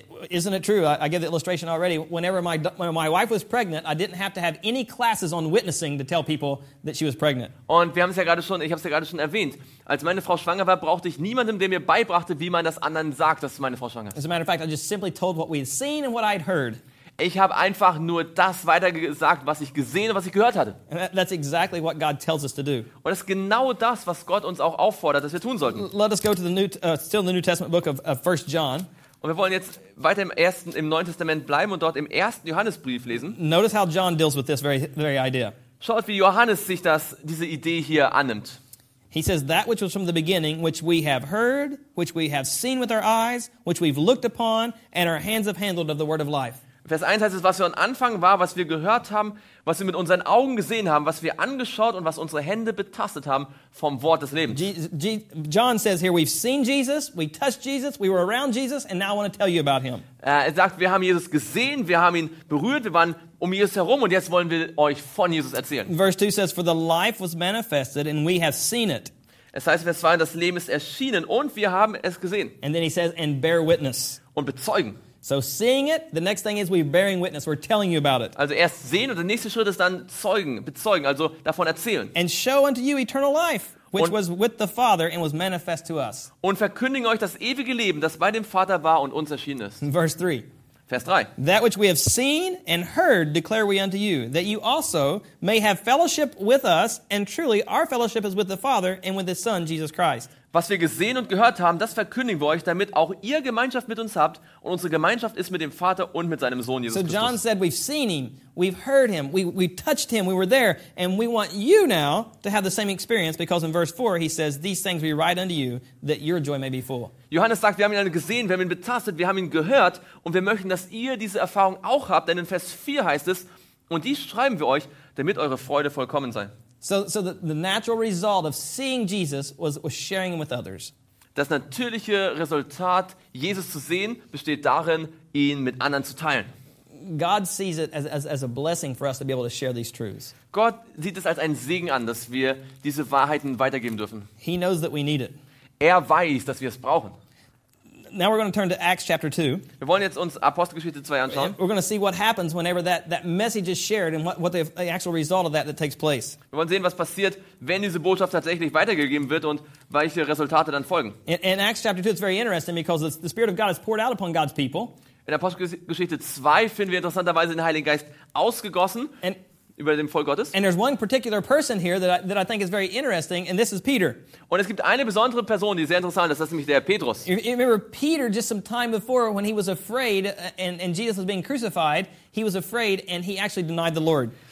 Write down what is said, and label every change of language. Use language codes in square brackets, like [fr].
[en] Isn't it true? I gave the illustration already. Whenever my wife was pregnant, I didn't have to have any classes on witnessing to tell people that she was pregnant. [de] Und wir haben es ja gerade schon, ich habe es ja gerade schon erwähnt. Als meine Frau schwanger war, brauchte ich niemanden, der mir beibrachte, wie man das anderen sagt, dass meine Frau schwanger ist. [en] As a matter of fact, I just simply told what we had seen and what I had heard. [de] Ich habe einfach nur das weitergesagt, was ich gesehen und was ich gehört hatte. [en] That's exactly what God tells us to do. [de] Und das ist genau das, was Gott uns auch auffordert, dass wir tun sollten. [en] Let us go to the new, still in the New Testament book of 1 John. [de] Und wir wollen jetzt weiter im Neuen Testament bleiben und dort im ersten Johannesbrief lesen. [en] Notice how John deals with this very idea. [de] Schaut, wie Johannes sich diese Idee hier annimmt. [en] He says, that which was from the beginning, which we have heard, which we have seen with our eyes, which we've looked upon, and our hands have handled of the word of life. [de] Vers 1 heißt es, was wir am Anfang war, was wir gehört haben, was wir mit unseren Augen gesehen haben, was wir angeschaut und was unsere Hände betastet haben vom Wort des Lebens. [en] John says here, we've seen Jesus, we touched Jesus, we were around Jesus, and now I want to tell you about him. [de] Er sagt, wir haben Jesus gesehen, wir haben ihn berührt, wir waren um Jesus herum und jetzt wollen wir euch von Jesus erzählen. [en] Verse 2 says, for the life was manifested and we have seen it. [de] Es heißt, Vers 2, das Leben ist erschienen und wir haben es gesehen. [en] And then he says, and bear witness. [de] Und bezeugen. [en] So seeing it, the next thing is we're bearing witness. We're telling you about it. [de] Also erst sehen und der nächste Schritt ist dann zeugen, bezeugen, also davon erzählen. [en] And show unto you eternal life, which was with the Father and was manifest to us. [de] Und verkündigen euch das ewige Leben, das bei dem Vater war und uns erschienen ist. [en] Verse 3. [de] Vers 3. [en] That which we have seen and heard declare we unto you, that you also may have fellowship with us, and truly our fellowship is with the Father and with his Son, Jesus Christ. [de] Was wir gesehen und gehört haben, das verkündigen wir euch, damit auch ihr Gemeinschaft mit uns habt. Und unsere Gemeinschaft ist mit dem Vater und mit seinem Sohn, Jesus Christus. [en] So John said, we've seen him, we've heard him, we touched him, we were there. And we want you now to have the same experience, because in verse 4 he says, these things we write unto you, that your joy may be full. [de] Johannes sagt, wir haben ihn gesehen, wir haben ihn betastet, wir haben ihn gehört. Und wir möchten, dass ihr diese Erfahrung auch habt. Denn in Vers 4 heißt es, und dies schreiben wir euch, damit eure Freude vollkommen sei. [en] So the natural result of seeing Jesus was sharing him with others. [de] Das natürliche Resultat, Jesus zu sehen, besteht darin, ihn mit anderen zu teilen. [en] God sees it as a blessing for us to be able to share these truths. [de] Gott sieht es als einen Segen an, dass wir diese Wahrheiten weitergeben dürfen. [en] He knows that we need it. [de] Er weiß, dass wir es brauchen. [en] Now we're going to turn to Acts chapter 2. [de] Wir wollen jetzt uns Apostelgeschichte 2 anschauen. [en] We're going to see what happens whenever that message is shared and what the actual result of that takes place. [de] Wir wollen sehen, was passiert, wenn diese Botschaft tatsächlich weitergegeben wird und welche Resultate dann folgen. [en] In Acts chapter 2 it's very interesting because the Spirit of God is poured out upon God's people. [de] In Apostelgeschichte 2 finden wir interessanterweise den Heiligen Geist ausgegossen über dem Volk Gottes. [en] And there's one particular person here that I think is very interesting, and this is Peter. [de] Und es gibt eine besondere Person, die sehr interessant ist. Das ist nämlich der Petrus. [en] You remember Peter just some time before, when he was afraid and Jesus was being crucified, he was afraid and he actually denied the Lord.